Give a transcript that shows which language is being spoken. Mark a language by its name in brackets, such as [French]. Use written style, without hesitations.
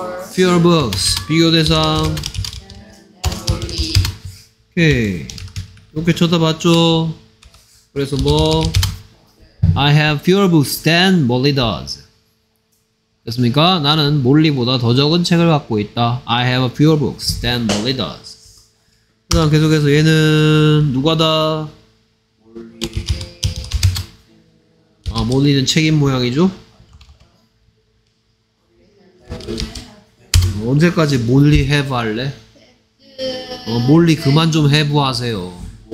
[English] Fewer books. [Korean] 비교 대상. 오케이. 이렇게 쳐다봤죠. 그래서 뭐? [English] I have fewer books than Molly does. [Korean] 됐습니까? 나는 몰리보다 더 적은 책을 갖고 있다. [English] I have a fewer books than Molly does. [Korean] 그 다음 계속해서 얘는 누가 다? 몰리. 아, 몰리는 책인 모양이죠? 언제까지 몰리 have 할래? 몰리 그만 좀 have 하세요.